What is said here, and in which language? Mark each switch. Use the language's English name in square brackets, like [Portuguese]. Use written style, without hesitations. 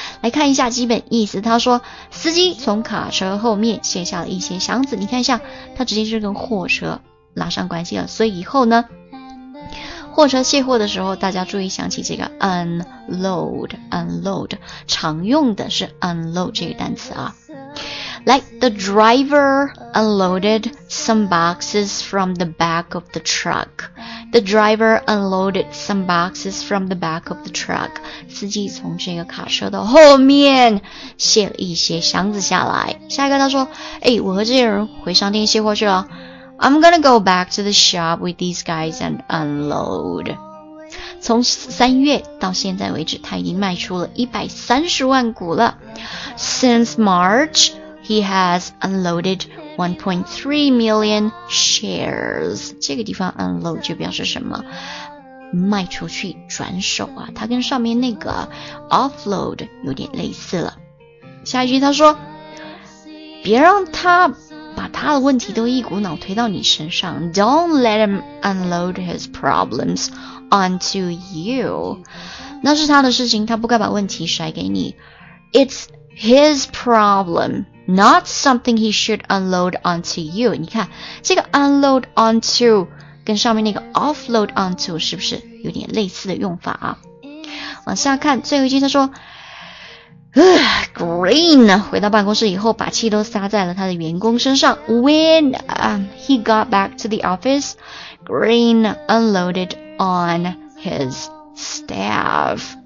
[Chinese] 来看一下基本意思，他说司机从卡车后面卸下了一些箱子，你看一下，他直接就跟货车拉上关系了，所以以后呢，货车卸货的时候，大家注意想起这个 unload, 常用的是 unload 这个单词啊。来 [English] ,the driver unloaded some boxes from the back of the truck. The driver unloaded some boxes from the back of the truck. [Chinese] 司机从这个卡车的后面卸了一些箱子下来。下一个他说诶我和这些人回商店卸货去了。 [English] I'm gonna go back to the shop with these guys and unload. [Chinese] 从三月到现在为止他已经卖出了130万股了。 [English] Since March,He has unloaded 1.3 million shares. [Chinese] 这个地方 unload 就表示什么？卖出去、转手啊，它跟上面那个 offload 有点类似了。下一句他说，别让他把他的问题都一股脑推到你身上。 [English] Don't let him unload his problems onto you. [Chinese] 那是他的事情，他不该把问题甩给你。 [English] It's his problem. Not something he should unload onto you. [Chinese] 你看这个 unload onto 跟上面那个 offload onto 是不是有点类似的用法啊？往下看最后一句他说 Green 回到办公室以后把气都撒在了他的员工身上。 [English] When、he got back to the office, Green unloaded on his staff.